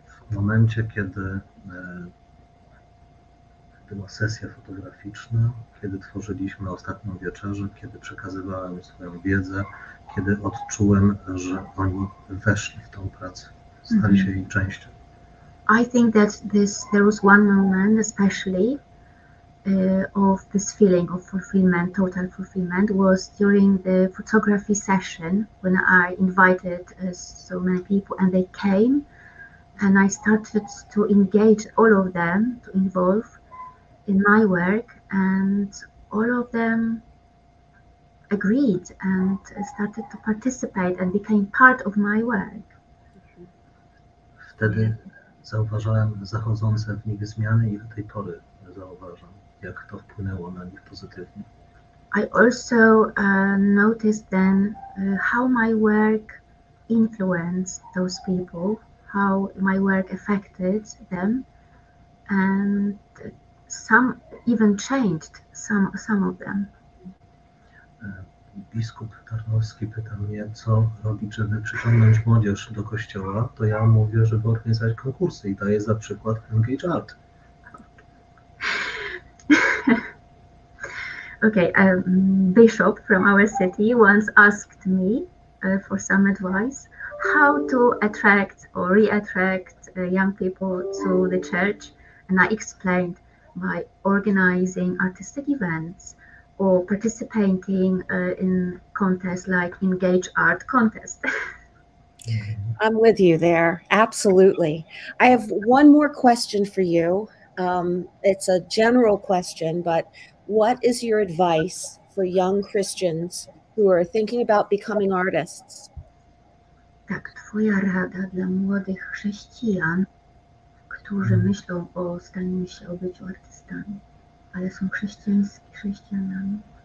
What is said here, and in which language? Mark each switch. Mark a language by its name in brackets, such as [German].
[Polish] W momencie, kiedy była sesja fotograficzna, kiedy tworzyliśmy ostatnią wieczerzę, kiedy przekazywałem swoją wiedzę, kiedy odczułem, że oni weszli w tą pracę, stali się jej częścią. [English] I think that there was one moment especially of this feeling of fulfillment, total fulfillment, was during the photography session when I invited so many people and they came and I started to engage all of them, to involve in my work, and all of them agreed and started to participate and became part of my work. [Polish] Wtedy zauważyłem zachodzące w nich zmiany i do tej pory zauważam, jak to wpłynęło na nich pozytywnie. [English] I also noticed then how my work influenced those people, how my work affected them, and some even changed some of them. [Polish] Biskup Tarnowski pyta mnie, co robić, żeby przyciągnąć młodzież do kościoła, to ja mówię, żeby organizować konkursy i daję za przykład Engage Art. [English] Okay, Bishop from our city once asked me for some advice, how to attract or re-attract young people to the church, and I explained by organizing artistic events, or participating in contests like Engage Art Contest. I'm with you there, absolutely. I have one more question for you. It's a general question, but what is your advice for young Christians who are thinking about becoming artists? [Polish] Tak, twoja rada dla młodych chrześcijan, którzy myślą o staniu się, o byciu artystami, ale są chrześcijanami.